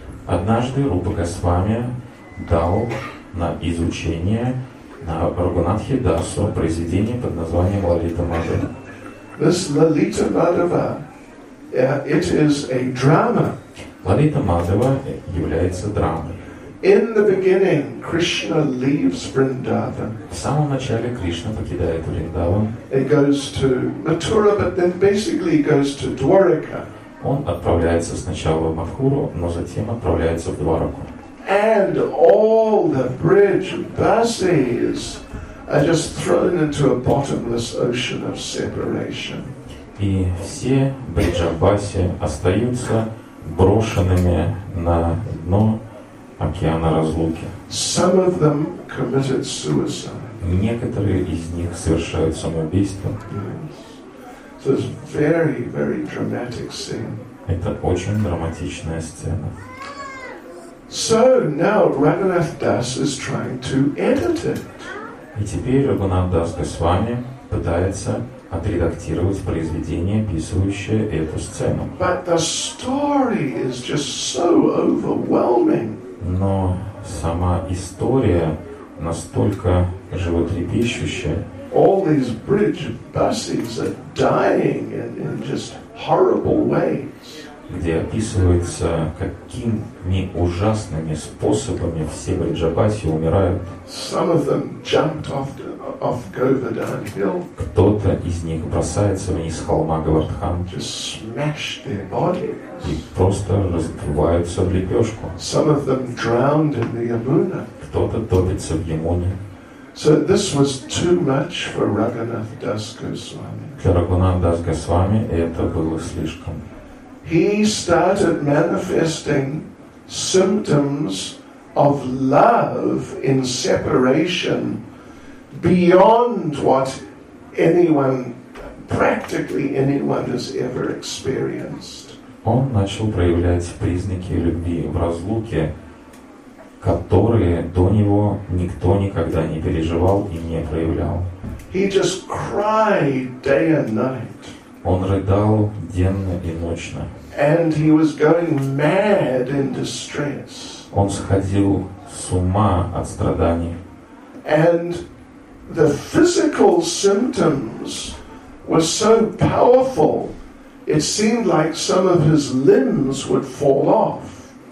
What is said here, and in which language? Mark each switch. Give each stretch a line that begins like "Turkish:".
Russian: Однажды Рупа Госвами дал на изучение на Рагунатхе Дасу произведение под названием Лалита Мадхава.
English: This Lalita Madhava, it is a drama.
Russian: Лалита Мадхава является драмой.
English: In the beginning, Krishna leaves Vrindavan.
Russian: В самом начале Кришна покидает Вриндаван.
English: He goes to Mathura, but then basically he goes to Dwarka.
Russian: Он отправляется сначала в Мадхуру, но затем отправляется в Двараку.
English: And all the bridge buses are just thrown into a bottomless ocean of separation.
Russian: И все бриджабасы остаются брошенными на дно океана разлуки.
English: Some of them committed suicide.
Russian: Некоторые из них совершают самоубийство.
English: So it's very, very dramatic scene.
Russian: Это очень драматичная сцена.
English: So now Raghunath Das is trying to edit it.
Russian: И теперь Рагунат Дас Госвами пытается отредактировать произведение, описывающее эту сцену.
English: But the story is just so overwhelming.
Russian: Но сама история настолько животрепещущая.
English: All these bridge buses are dying in just horrible ways.
Russian: Где описывается, какими ужасными способами все бриджабаси умирают.
English: Some of them jumped off Govardhan Hill.
Russian: Кто-то из них бросается вниз с холма Говардхан.
English: Just smashed their bodies.
Russian: И просто разбиваются в лепешку.
English: Some of them drowned in the Yamuna.
Russian: Кто-то топится в Ямуне.
English: So this was too much for Raghunath Das Goswami.
Russian: Для Рагунатха Дас Госвами это было слишком.
English: He started manifesting symptoms of love in separation beyond what anyone, practically anyone, has ever experienced.
Russian: Он начал проявлять признаки любви в разлуке, которые до него никто никогда не переживал и не проявлял.
English: He just cried day and night.
Russian: Он рыдал денно и ночно.
English: And he was going mad in distress.
Russian: Он сходил с ума от страданий.
English: And the physical symptoms were so powerful, it seemed like some of his limbs would fall off.